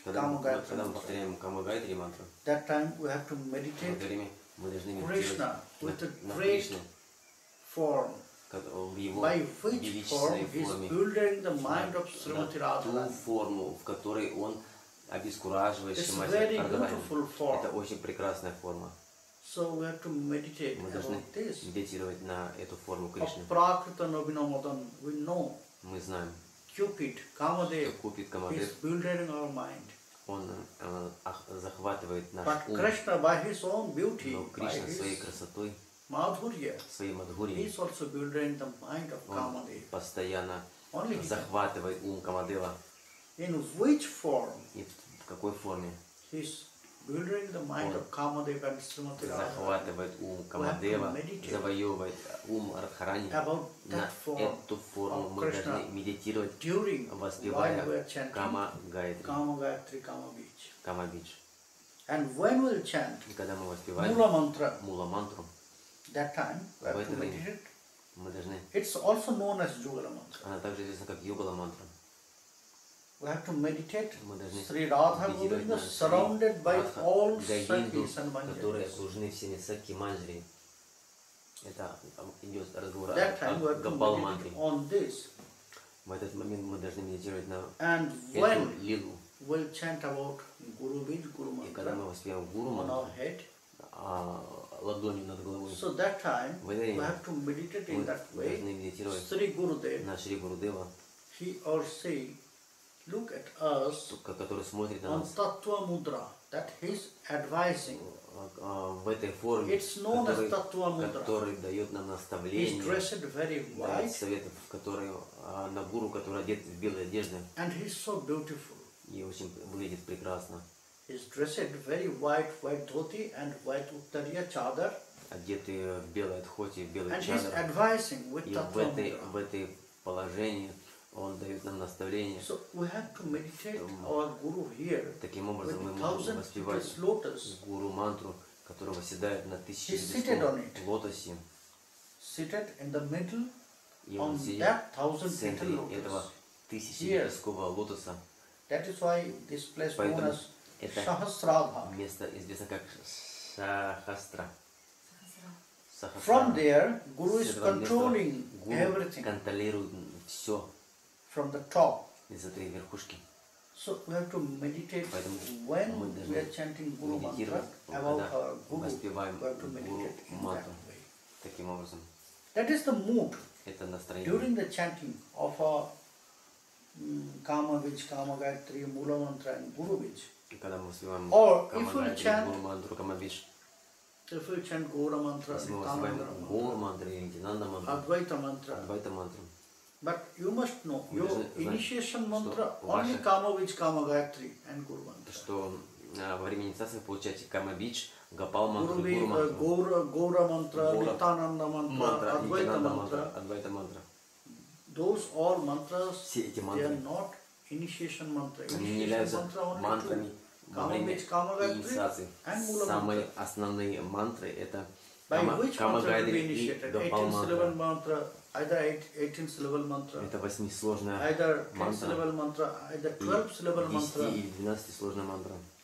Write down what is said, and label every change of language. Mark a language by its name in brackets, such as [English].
[English] Kama Gayatri Mantra, that time we have to meditate Krishna with a great form, by which form he is building the mind of Srimati Radharani. It's a very beautiful form. [Russian] Это очень прекрасная форма. [English] So we have to meditate about this. [Russian] Медитировать на эту форму Кришны. [English] Prakrita Novinamadan, we know. [Russian] Мы знаем. [English] Cupid, Kamadev, Cupid, Kamadev, is building our mind. [Russian] Он захватывает наш [English] but [Russian] ум. [English] Krishna, by his own beauty, [Russian] но Кришна своей красотой, своей мадхурьем, постоянно захватывает ум Камадева. [English] In which form? [Russian] И в какой форме? [English] He's building the mind of Kamadeva and Srimati Radharani. [Russian] Захватывает ум Камадева, завоевывает ум Радхарани. На эту форму мы должны медитировать, воспевая Кама Гайатри. Кама Гайатри, Кама Бич. Кама Бич. [English] And when we'll chant? [Russian] И когда мы воспеваем Мула Мантра. Мула Мантру. [English] That time we have to meditate. [Russian] Мы должны. [English] It's also known as Югала Мантра. [Russian] Она также известна как Югала Мантра. [English] We have to meditate. Sri Radha Govinda surrounded by all sakis and manjari. [Russian] Которые окружены всеми саки манджари. Это идет разговор о Гопал мантре. [English] On this. [Russian] В этот момент мы должны медитировать на [English] and [Russian] эту лилу. [English] We'll chant about Guru Bij, Guru Mantra. [Russian] И когда мы воспеваем Гуру Мантру. [English] On our head. [Russian] Ладонью над головой. [English] So that time we have to meditate in that way. [Russian] Мы должны медитировать [English] Sri Gurudev, [Russian] на Шри Гурудева. [English] He or she look at us, [Russian] который смотрит на [English] on [Russian] нас, [English] tattva mudra, that he's advising. [Russian] В этой форме, [English] it's known as tattva mudra. [Russian] Который дает нам наставление. [English] He's dressed very white. [Russian] Совет, который на гуру, который одет в белые одежды. [English] And he's so beautiful. [Russian] И очень выглядит прекрасно. [English] He's dressed very white, white dhoti and white uttariya chadar. [Russian] Одетый в белое дхоти, в белый чадар. [English] And he's advising with tattva mudra. [Russian] И в этой положении. Он дает нам наставление. [English] So we have to meditate our guru here. [Russian] Таким образом мы можем воспевать гуру мантру, который восседает на тысячи лотосе. [English] Seated in the middle. [Russian] и он сидит в центре этого тысячи лепесткового лотоса. [English] That is why this place known as Sahasrara. [Russian] Место известно как Сахасра. [English] From there, Guru is controlling everything. [Russian] Контролирует все. [English] From the top. [Russian] Из этой верхушки. [English] So we have to meditate. [Russian] Поэтому [English] when we are chanting Guru mantra, [Russian] когда воспеваем Гуру мантру, таким образом. [English] That is the mood. [Russian] Это настроение. [English] During the chanting of a Kama Vich, Kama Gayatri, Mula Mantra and Guru Vich. [Russian] Когда мы воспеваем Гуру мантру, Кама Вич. [English] If we chant Gaura Mantra, Gaura Mantra, Nityananda Mantra, Advaita Mantra, Advaita Mantra. But you must know, your initiation mantra only Kama Vich, Kama Gayatri and Guru Mantra. [Russian] Что во время инициации вы получаете Kama Vich, Gopal Mantra, Guru Mantra. [English] Gaura, Gaura Mantra, Nityananda Mantra, Advaita Mantra. Advaita Mantra. Those all mantras, they are not initiation mantra. Initiation mantra only mantrami. [Russian] Самые основные мантры это Кама Гайдри и Гопал мантра. Это восьмисложная мантра. И двенадцатисложная мантра.